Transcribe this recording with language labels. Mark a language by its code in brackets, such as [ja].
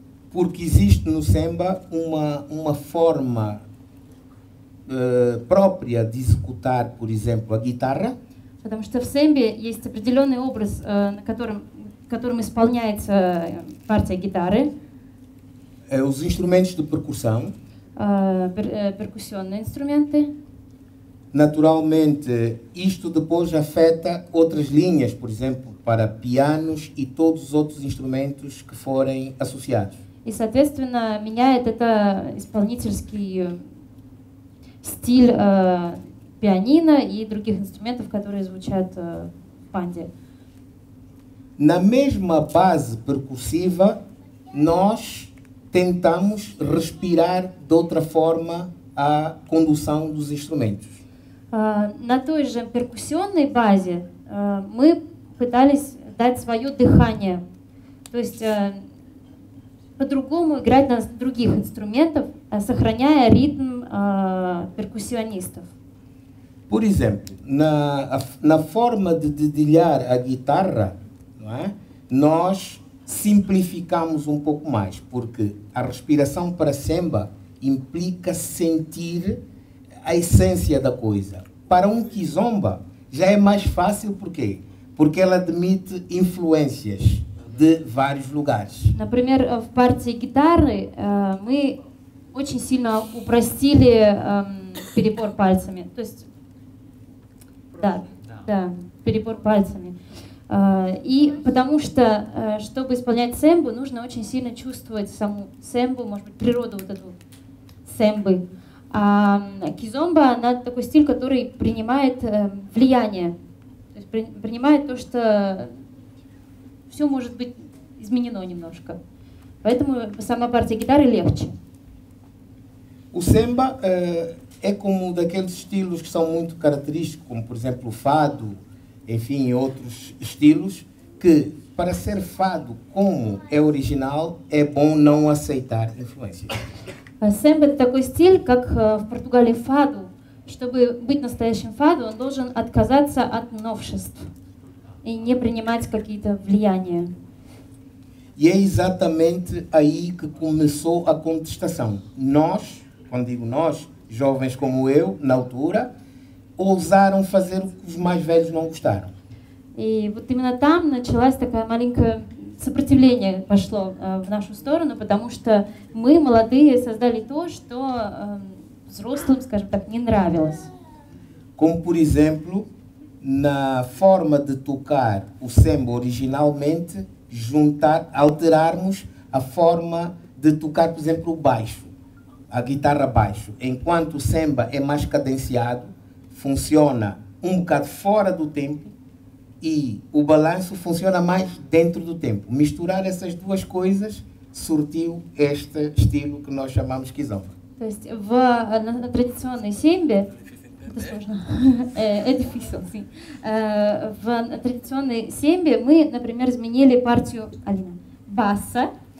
[pt] Porque existe no Semba uma forma própria de executar, por exemplo, a guitarra. [ru] Потому что в Сембе есть определенный образ, на котором, которым исполняется партия гитары. [pt] Os instrumentos de percussão. [ru] Percussionные инструменты. [pt] Naturalmente, isto depois afeta outras linhas, por exemplo, para pianos e todos os outros instrumentos que forem associados. [ru] И, соответственно, меняет это исполнительский стиль пианино и других инструментов, которые звучат в панде. [pt] На mesma base percussiva nós tentamos respirar de outra forma a condução dos instrumentos. [ru] На той же перкуссионной базе мы пытались дать свое дыхание. То есть по-другому играть на других инструментах, сохраняя ритм перкуссионистов. [pt] Por exemplo, на forma de dedilhar a guitarra, não é? Nós simplificamos pouco mais, porque a respiração para semba implica sentir a essência da coisa. Para kizomba já é mais fácil, por quê? Porque ela admite influências de vários lugares. [ru] Например, в партии гитары мы очень сильно упростили перебор пальцами. То есть, да, перебор пальцами. И потому что, чтобы исполнять сэмбу, нужно очень сильно чувствовать саму сэмбу, может быть, природу вот эту сэмбы. А кизомба, она такой стиль, который принимает влияние. То есть принимает то, что все может быть изменено немножко. Поэтому сама партия гитары легче. [pt] У сэмба é como daqueles estilos que são muito característicos, como por exemplo o fado, enfim, outros estilos, que para ser fado como é original, é bom não aceitar influências. [ru] Semba é такой стиль, как в Португалии фаду. Чтобы быть настоящим фаду, он должен отказаться от новшеств и не принимать какие-то влияния. [pt] E é exatamente aí que começou a contestação. Nós, quando digo nós, jovens como eu, na altura, ousaram fazer o que os mais velhos não gostaram. [ru] E вот именно там началась такая маленькое сопротивление пошло в нашу сторону, потому что мы молодые создали то, что взрослым, скажем так, не нравилось. [pt] Como por exemplo, na forma de tocar o samba originalmente, juntar, alterarmos a forma de tocar, por exemplo, o baixo. A guitarra baixo, enquanto o semba é mais cadenciado, funciona bocado fora do tempo e o balanço funciona mais dentro do tempo. Misturar essas duas coisas surtiu este estilo que nós chamamos kizomba. [ru] То есть в традиционной сембе это сложно, это [pt] difícil, sim. [ru] В традиционной сембе мы, например, изменили партию Алина баса.